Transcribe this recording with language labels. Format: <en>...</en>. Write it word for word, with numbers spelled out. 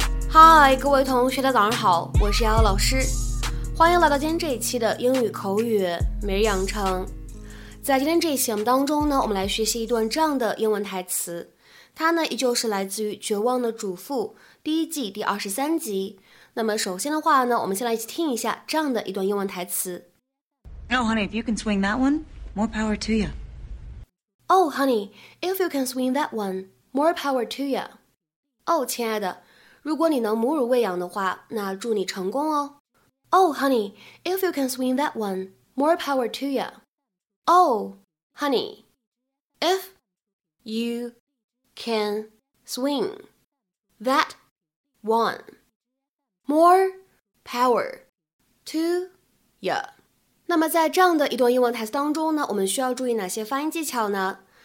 <zh>嗨，各位同学，大家早上好，我是瑶瑶老师，欢迎来到今天这一期的英语口语每日养成。在今天这一期节目当中呢，我们来学习一段这样的英文台词，它呢依旧是来自于《绝望的主妇》第一季第二十三集。那么首先的话呢，我们先来一起听一下这样的一段英文台词。</zh> <en>Oh, honey, if you can swing that one, more power to you. Oh, honey, if you can swing that one, more power to you.</en> <zh>Oh, 亲爱的。如果你能母乳喂养的话，那祝你成功哦。</zh> <en>Oh, honey, if you can swing that one, more power to you. Oh, honey, if you can swing that one, more power to you.</en> <zh>那么在这样的一段英文台词当中呢，我们需要注意哪些发音技巧呢？</zh>